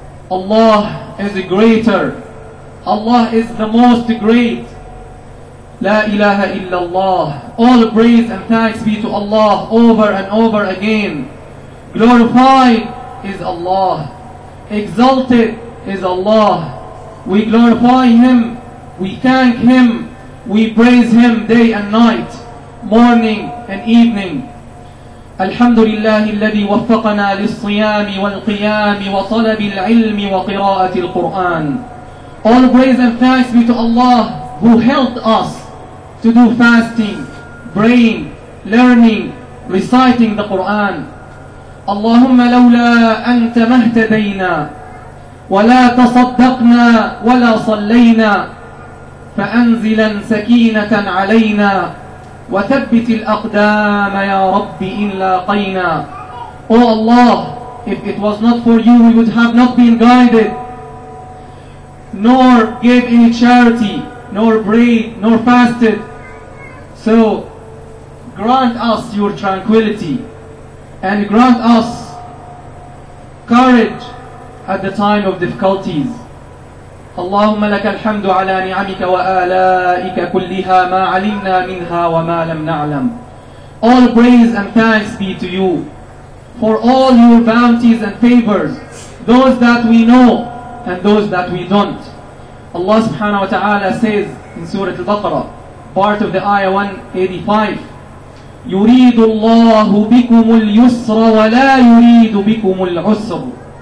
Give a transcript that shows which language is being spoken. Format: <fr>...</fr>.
<en>Allah is greater Allah is the most great</en> <ar>لا إله إلا الله</ar> <en>All praise and thanks be to Allah over and over again Glorified is Allah Exalted is Allah We glorify Him We thank Him We praise Him day and night, morning and evening.</en> <ar>الحمد لله الذي وفقنا للصيام والقيام وطلب العلم وقراءة القرآن.</ar> <en>All praise and thanks be to Allah who helped us to do fasting, praying, learning, reciting the Quran.</en> <ar>اللهم لولا أنت ما اهتدينا ولا تصدقنا ولا صلينا فأنزلا سكينة علينا وثبت الأقدام يا رب إن لاقينا.</ar> <en>Oh Allah, if it was not for you, we would have not been guided, nor gave any charity, nor prayed, nor fasted. So grant us your tranquility and grant us courage at the time of difficulties.</en> <ar>اللهم لك الحمد على نعمك وآلائك كلها ما علمنا منها وما لم نعلم.</ar> <en>All praise and thanks be to you for all your bounties and favors, those that we know and those that we don't. Allah subhanahu wa ta'ala says in Surah Al-Baqarah, part of the ayah 185,</en> <ar>يريد الله بكم اليسر ولا يريد بكم العسر.</ar>